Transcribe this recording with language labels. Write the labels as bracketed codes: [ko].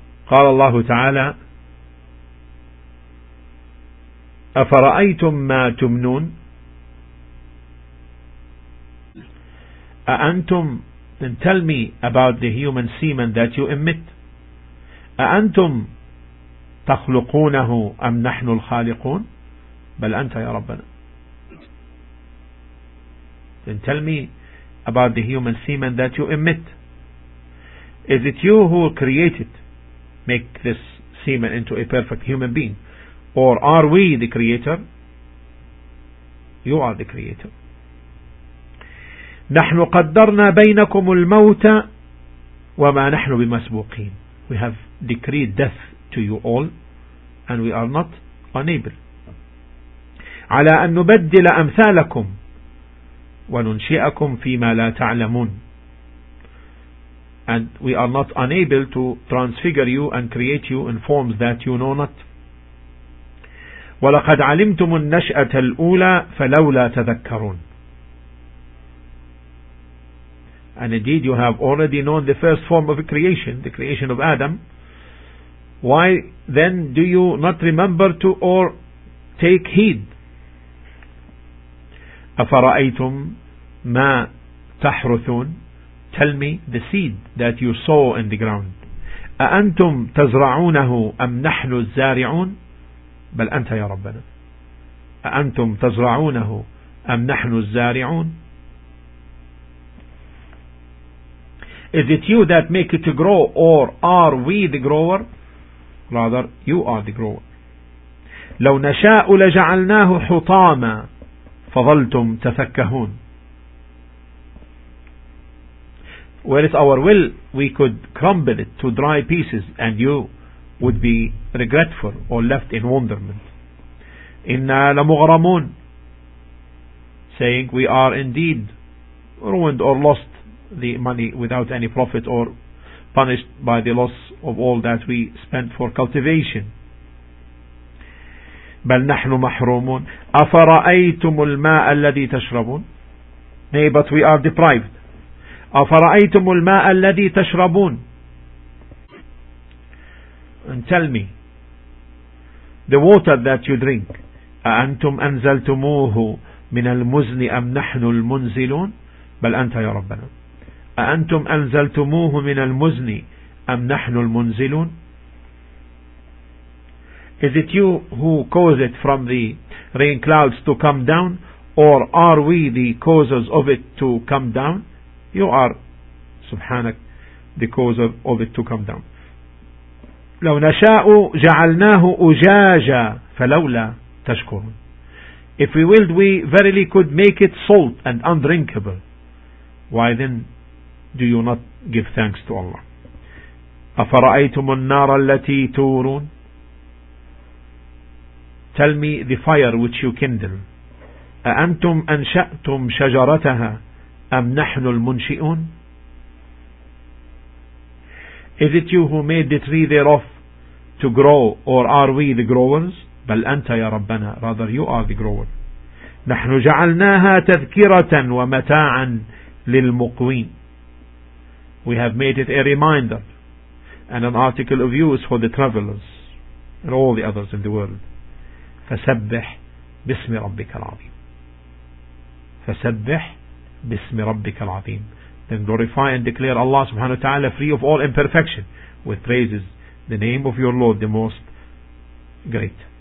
[ar] قال الله تعالى أفرأيتم ما تمنون. أأنتم, [en] then tell me about the human semen that you emit. [ar] أأنتم تخلقونه أم نحن الخالقون. بل أنت يا ربنا. [en] Then tell me about the human semen that you emit. Is it you who create it, make this semen into a perfect human being, or are we the creator? You are the creator. [ar] نَحْنُ قَدَّرْنَا بَيْنَكُمُ الْمَوْتَ وَمَا نَحْنُ بِمَسْبُوقِينَ. [en] We have decreed death to you all, and we are not unable. [ar] عَلَىٰ أَن نُبَدِّلَ أَمْثَالَكُمْ وَنُنْشِئَكُمْ فِي مَا لَا تَعْلَمُونَ. [en] And we are not unable to transfigure you and create you in forms that you know not. [ar] ولقد علمتم النشأة الأولى فلولا تذكرون. [en] And indeed you have already known the first form of creation, the creation of Adam. Why then do you not remember to or take heed? [ar] أفرأيتم ما تحرثون. [en] Tell me the seed that you sow in the ground. [ar] أأنتم تزرعونه أم نحن الزارعون؟ بل أنت يا ربنا. أأنتم تزرعونه أم نحن الزارعون؟ [en] Is it you that make it to grow or are we the grower? Rather, you are the grower. [ar] لو نشاء لجعلناه حطاما فظلتم تفكهون. [en] Well, it's our will, we could crumble it to dry pieces and you would be regretful or left in wonderment. [ar] إِنَّا لَمُغْرَمُونَ. [en] Saying, we are indeed ruined or lost the money without any profit or punished by the loss of all that we spent for cultivation. [ar] بَلْ نَحْنُ مَحْرُومُونَ. أَفَرَأَيْتُمُ الْمَاءَ الَّذِي تَشْرَبُونَ. [en] Nay, but we are deprived. [ar] أفرأيتم الماء الذي تشربون. [en] And tell me, the water that you drink, [ar] أأنتم أنزلتموه من المزن أم نحن المنزلون؟ بل أنت يا ربنا. أأنتم أنزلتموه من المزن أم نحن المنزلون؟ [en] Is it you who caused it from the rain clouds to come down, or are we the causes of it to come down? You are, subhanak, the cause of it to come down. [ar] لو نشاء جعلناه أجاجا فلولا تشكرون. [en] If we willed, we verily could make it salt and undrinkable. Why then do you not give thanks to Allah? [ar] أفرأيتم النار التي تورون. [en] Tell me the fire which you kindle. [ar] أأنتم أنشأتم شجرتها؟ أم نحن المنشئون؟ [en] Is it you who made the tree thereof to grow, or are we the growers? [ar] بل أنت يا ربنا. [en] Rather, you are the grower. [ar] نحن جعلناها تذكرة ومتاعا للمقوين. [en] We have made it a reminder and an article of use for the travelers and all the others in the world. [ar] فسبح باسم ربك العظيم. فسبح بسم ربك العظيم. [en] Then glorify and declare Allah subhanahu wa ta'ala free of all imperfection with praises, the name of your Lord, the most great.